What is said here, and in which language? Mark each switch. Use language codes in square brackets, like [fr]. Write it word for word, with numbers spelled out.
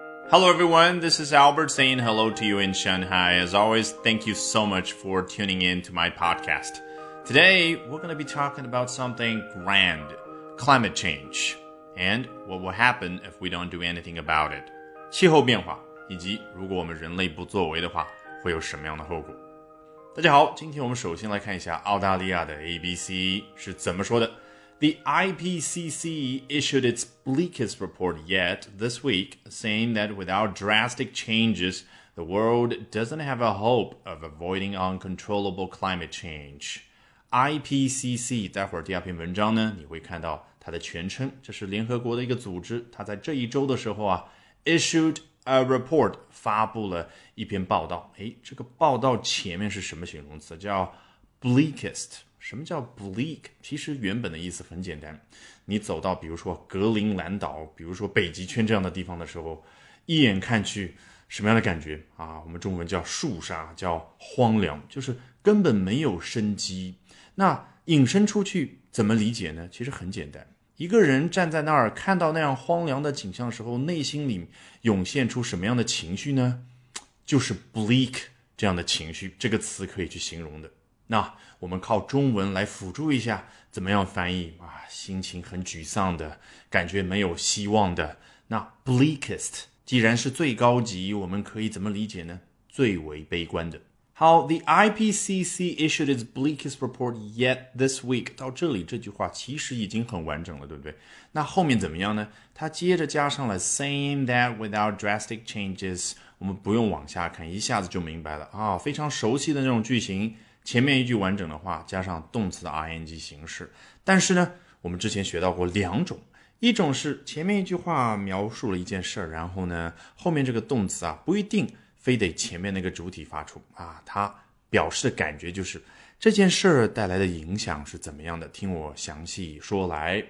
[en] Hello everyone, this is Albert saying hello to you in Shanghai. As always, thank you so much for tuning in to my podcast. Today, we're going to be talking about something grand, climate change, and what will happen if we don't do anything about it. [zh] 气候变化，以及如果我们人类不作为的话，会有什么样的后果？大家好，今天我们首先来看一下澳大利亚的 A B C 是怎么说的。 [en] The I P C C issued its bleakest report yet this week, saying that without drastic changes, the world doesn't have a hope of avoiding uncontrollable climate change. [zh] I P C C, 待会儿第二篇文章呢，你会看到它的全称，这是联合国的一个组织，它在这一周的时候啊 [en] issued a report, [zh] 发布了一篇报道。诶，这个报道前面是什么形容词？叫 bleakest。什么叫 bleak？其实原本的意思很简单，你走到比如说格陵兰岛，比如说北极圈这样的地方的时候，一眼看去什么样的感觉啊？我们中文叫肃杀，叫荒凉，就是根本没有生机。那引申出去怎么理解呢？其实很简单，一个人站在那儿看到那样荒凉的景象的时候，内心里涌现出什么样的情绪呢？就是 bleak 这样的情绪，这个词可以去形容的。那我们靠中文来辅助一下，怎么样翻译啊？心情很沮丧的感觉，没有希望的。那 bleakest 既然是最高级，我们可以怎么理解呢？最为悲观的。 [en] 好 ，the I P C C issued its bleakest report yet this week。 [zh] 到这里这句话其实已经很完整了，对不对？那后面怎么样呢？它接着加上了 [en] saying that without drastic changes， [zh] 我们不用往下看，一下子就明白了啊，非常熟悉的那种句型。前面一句完整的话加上动词的 ing 形式，但是呢，我们之前学到过两种，一种是前面一句话描述了一件事，然后呢，后面这个动词啊不一定非得前面那个主体发出啊，它表示的感觉就是这件事带来的影响是怎么样的，听我详细说来。